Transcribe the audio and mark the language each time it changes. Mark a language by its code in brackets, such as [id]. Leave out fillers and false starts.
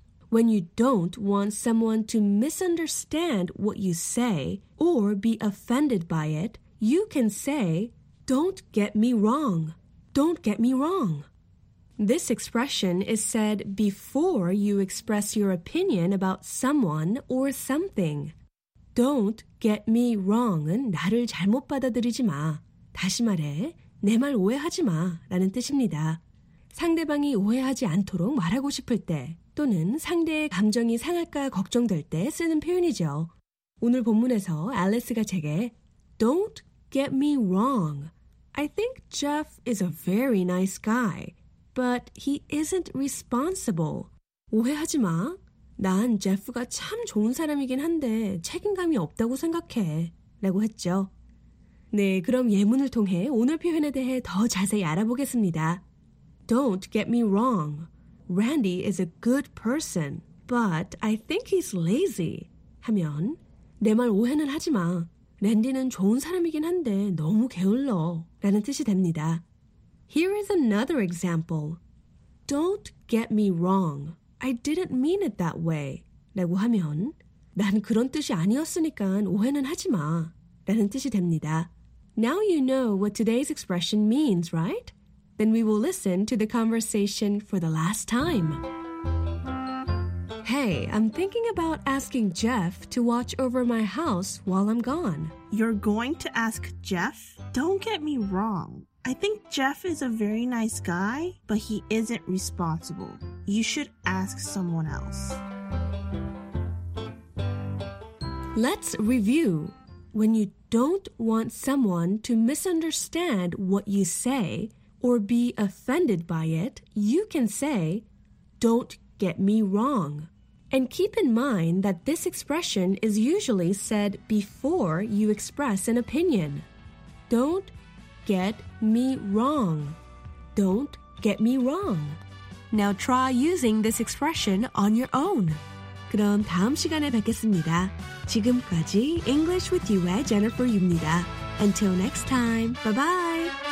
[en] When you don't want someone to misunderstand what you say or be offended by it, you can say, don't get me wrong. Don't get me wrong. This expression is said before you express your opinion about someone or something. Don't get me wrong은 [ko] 나를 잘못 받아들이지 마. 다시 말해. 내 말 오해하지 마 라는 뜻입니다. 상대방이 오해하지 않도록 말하고 싶을 때 또는 상대의 감정이 상할까 걱정될 때 쓰는 표현이죠. 오늘 본문에서 앨리스가 제게 [en] Don't get me wrong. I think Jeff is a very nice guy, but he isn't responsible. [ko] 오해하지 마. 난 제프가 참 좋은 사람이긴 한데 책임감이 없다고 생각해 라고 했죠. 네, 그럼 예문을 통해 오늘 표현에 대해 더 자세히 알아보겠습니다. [en] Don't get me wrong. Randy is a good person, but I think he's lazy. [ko] 하면, 내 말 오해는 하지 마. 랜디는 좋은 사람이긴 한데 너무 게을러. 라는 뜻이 됩니다. [en] Here is another example. Don't get me wrong. I didn't mean it that way. [ko] 라고 하면, 난 그런 뜻이 아니었으니까 오해는 하지 마. 라는 뜻이 됩니다. [en] Now you know what today's expression means, right? Then we will listen to the conversation for the last time. Hey, I'm thinking about asking Jeff to watch over my house while I'm gone. You're going to ask Jeff? Don't get me wrong. I think Jeff is a very nice guy, but he isn't responsible. You should ask someone else. Let's review. When you don't want someone to misunderstand what you say or be offended by it, you can say, "Don't get me wrong." And keep in mind that this expression is usually said before you express an opinion. Don't get me wrong. Don't get me wrong. Now try using this expression on your own. [ko] 그럼 다음 시간에 뵙겠습니다. 지금까지 English with You의 Jennifer입니다. [en] Until next time, bye-bye!